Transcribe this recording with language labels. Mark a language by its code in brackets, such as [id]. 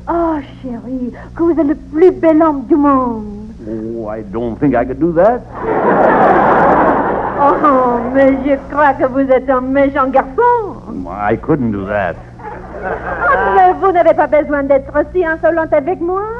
[fr] Oh, chérie, que vous êtes le plus bel homme du monde. [en] Oh, I don't think I could do that. [fr] Oh, mais je crois que vous êtes un méchant garçon. [en] I couldn't do that. [fr] Oh, mais vous n'avez pas besoin d'être si insolent avec moi.